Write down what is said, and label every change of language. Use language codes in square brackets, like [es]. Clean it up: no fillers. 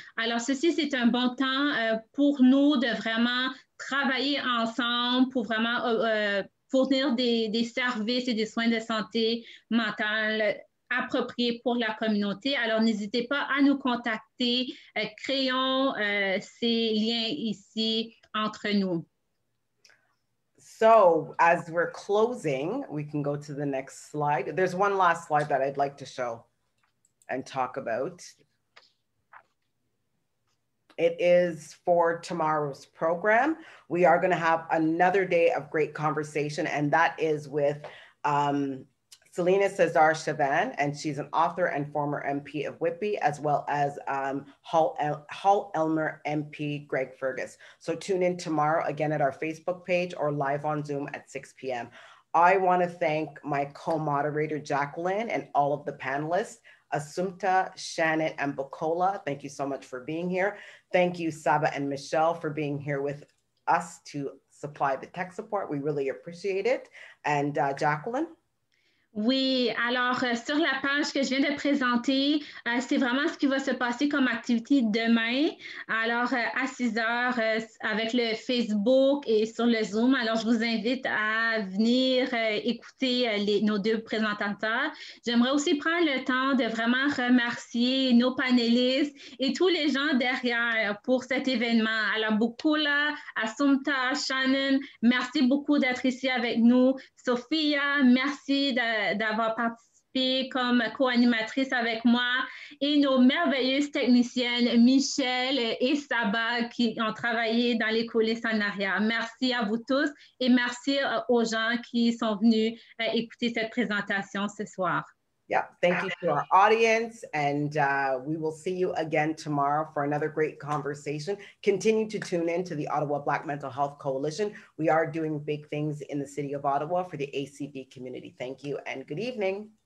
[fr] Alors ceci c'est un bon temps pour nous de vraiment travailler ensemble pour vraiment fournir des services et des soins de santé mentale appropriés pour la communauté. Alors n'hésitez pas à nous contacter, créons ces liens ici entre nous. [en] So as we're closing, we can go to the next slide. There's one last slide that I'd like to show and talk about. It is for tomorrow's program. We are going to have another day of great conversation, and that is with Selena Cesar Chavan, and she's an author and former MP of Whitby, as well as Hall Elmer MP Greg Fergus. So tune in tomorrow again at our Facebook page or live on Zoom at 6 p.m. I want to thank my co-moderator, Jacqueline, and all of the panelists, Assumpta, Shannon, and Bukola. Thank you so much for being here. Thank you, Saba and Michelle, for being here with us to supply the tech support. We really appreciate it. And Jacqueline? [fr] Oui, alors sur la page que je viens de présenter, c'est vraiment ce qui va se passer comme activité demain. Alors à 6 heures avec le Facebook et sur le Zoom. Alors je vous invite à venir écouter nos deux présentateurs. J'aimerais aussi prendre le temps de vraiment remercier nos panélistes et tous les gens derrière pour cet événement. Alors Bukola, Assumpta, Shannon, merci beaucoup d'être ici avec nous. Sophia, merci d'avoir participé comme co-animatrice avec moi et nos merveilleuses techniciennes Michelle et Saba qui ont travaillé dans les coulisses en arrière. Merci à vous tous et merci aux gens qui sont venus écouter cette présentation ce soir. [en] Yeah, thank you to our audience, and we will see you again tomorrow for another great conversation. Continue to tune in to the Ottawa Black Mental Health Coalition. We are doing big things in the city of Ottawa for the ACB community. Thank you and good evening.